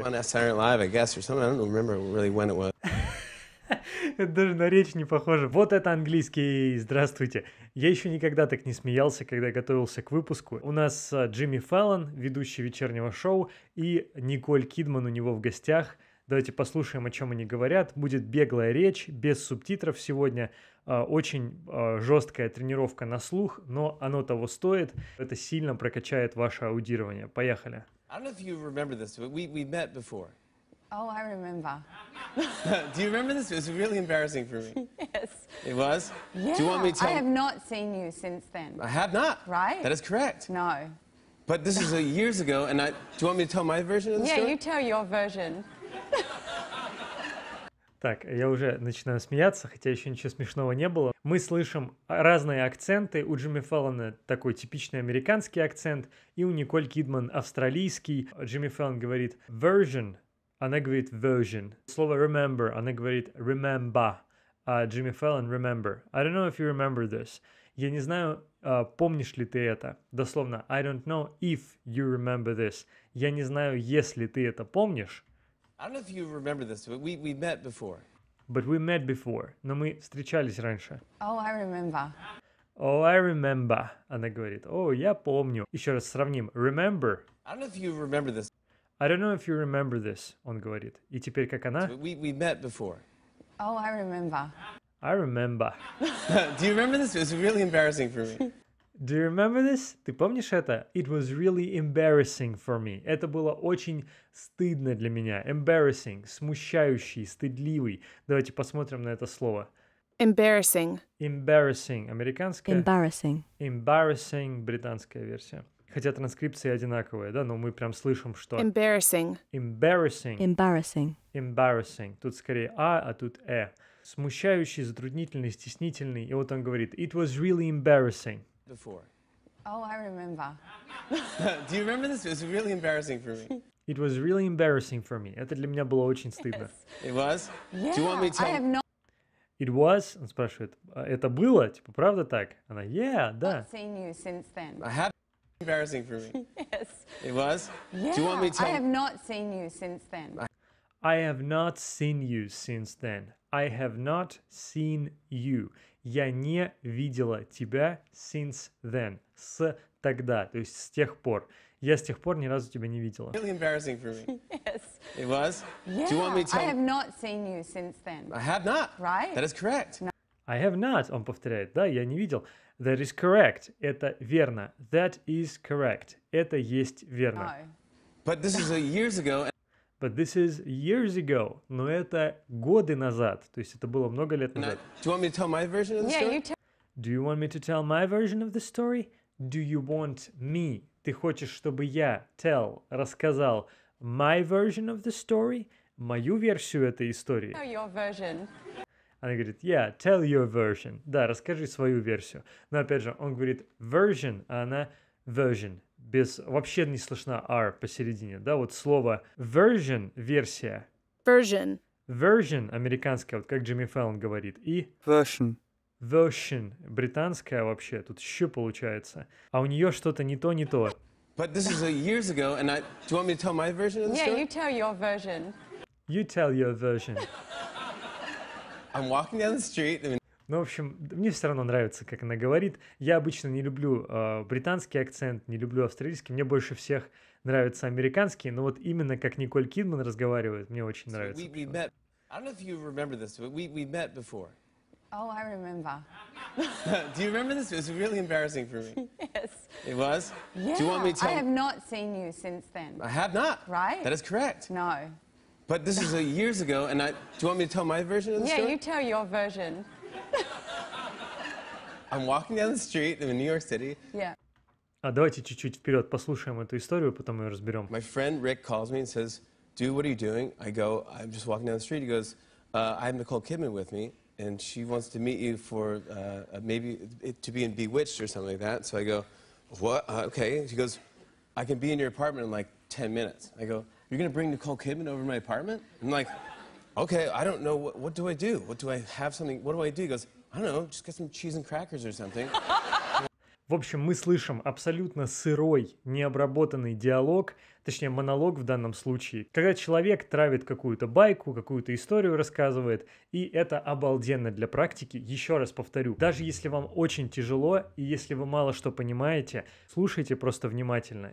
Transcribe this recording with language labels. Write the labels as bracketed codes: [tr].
[en] On Saturday Night Live, I guess, or something. I don't remember really when it was. [ru] Это даже на речь не похоже. Вот это английский. Здравствуйте. Я еще никогда так не смеялся, когда готовился к выпуску. У нас Джимми Фэллон, ведущий вечернего шоу, и Николь Кидман у него в гостях. Давайте послушаем, о чем они говорят. Будет беглая речь, без субтитров сегодня. Очень жесткая тренировка на слух, но оно того стоит. Это сильно прокачает ваше аудирование. Поехали. [en] I don't know if you remember this, but we met before. Oh, I remember. Do you remember this? It was really embarrassing for me. Yes. It was? Yeah. Do you want me to tell I have not seen you since then. I have not. Right? That is correct. No. But this is years ago, and do you want me to tell my version of the yeah, story? Yeah, you tell your version. [ru] Так, я уже начинаю смеяться, хотя еще ничего смешного не было. Мы слышим разные акценты. У Джимми Фэллона такой типичный американский акцент, и у Николь Кидман австралийский. Джимми Фэллон говорит «version», она говорит «version». Слово «remember», она говорит «remember», а Джимми Фэллон «remember». [en] «I don't know if you remember this». [ru] Я не знаю, помнишь ли ты это. Дословно [en] «I don't know if you remember this». [ru] Я не знаю, если ты это помнишь. [en] I don't know if you remember this, but we met before. But we met before. [ru] Но мы встречались раньше. [en] Oh, I remember. Oh, I remember. [ru] Она говорит. О, я помню. Еще раз сравним. Remember. [en] I don't know if you remember this. I don't know if you remember this. [ru] Он говорит. И теперь как она? [en] We met before. Oh, I remember. I remember. Do you remember this? It was really embarrassing for me. Do you remember this? [ru] Ты помнишь это? [en] It was really embarrassing for me. [ru] Это было очень стыдно для меня. Embarrassing. Смущающий, стыдливый. Давайте посмотрим на это слово. [en] Embarrassing. [ru] Embarrassing. Американская. [en] Embarrassing. [ru] Embarrassing. Британская версия. Хотя транскрипции одинаковые, да? Но мы прям слышим, что... [en] Embarrassing. Embarrassing. Embarrassing. [ru] Embarrassing. Тут скорее а тут э. Смущающий, затруднительный, стеснительный. И вот он говорит. [en] It was really embarrassing. Before. Oh, I remember. Do you remember this? It was really embarrassing for me. It was really embarrassing for me. [ru] Это для меня было очень стыдно. [en] Yes. It was? Yeah, Do you want me to... I have not... It was? [ru] Он спрашивает. Это было? Типа, правда так? Она, yeah, да. [en] I've seen you since then. I have... Embarrassing for me. Yes. It was? Yeah, Do you want me to... I have not seen you since then. I have not seen you since then. I have not seen you. [ru] Я не видела тебя [en] since then. [ru] С тогда, то есть с тех пор. Я с тех пор ни разу тебя не видела. [en] Really embarrassing for me. Yes. It was? Yeah. Do you want me to... I have not seen you since then. I have not. Right? That is correct. No. I have not, [ru] он повторяет. Да, я не видел. [en] That is correct. [ru] Это верно. [en] That is correct. [ru] Это есть верно. [en] No. But this is years ago. But this is years ago. [ru] Но это годы назад. То есть это было много лет назад. [en] Do you want me to tell my version of the story? Yeah, you tell. Do you want me to tell my version of the story? Do you want me? [ru] Ты хочешь, чтобы я tell, рассказал [en] my version of the story? [ru] Мою версию этой истории. [en] Tell your version. [ru] Она говорит, [en] yeah, tell your version. [ru] Да, расскажи свою версию. Но опять же, он говорит version, а она version. Без, вообще не слышно R посередине, да, вот слово version, версия. [en] Version. [ru] Version, американская, вот как Джимми Фэллон говорит, и... [en] Version. [ru] Version, британская вообще, тут еще получается. А у нее что-то не то, не то. [en] But this is years ago, and I... Do you want me to tell my version of the yeah, story? Yeah, you tell your version. You tell your version. I'm walking down the street... [ru] Ну, в общем, мне все равно нравится, как она говорит. Я обычно не люблю британский акцент, не люблю австралийский. Мне больше всех нравится американский. Но вот именно как Николь Кидман разговаривает, мне очень нравится. [en] We met. I don't know if you remember this, but we met before. Oh, I remember. Do you remember this? It was really embarrassing for me. Yes. It was? Yeah. Do you want me to tell... I have not seen you since then. I have not. Right? That is correct. No. But this is years ago, and I... Do you want me to tell my version of the yeah, story? Yeah, you tell your version. I'm walking down the street in New York City. Yeah. [ru] А давайте чуть-чуть вперед послушаем эту историю, потом ее разберем. [en] My friend Rick calls me and says, "Dude, what are you doing?" I go, "I'm just walking down the street." He goes, "I have Nicole Kidman with me, and she wants to meet you for maybe it, to be in Bewitched or something like that." So I go, "What? Okay." She goes, "I can be in your apartment in like 10 minutes." I go, "You're gonna bring Nicole Kidman over to my apartment?" I'm like. Okay, I don't know, what do I do? What do I have something, what do I do? He goes, I don't know, just get some cheese and crackers or something. [ru] В общем, мы слышим абсолютно сырой, необработанный диалог, точнее монолог в данном случае, когда человек травит какую-то байку, какую-то историю рассказывает, и это обалденно для практики. Еще раз повторю, даже если вам очень тяжело и если вы мало что понимаете, слушайте просто внимательно.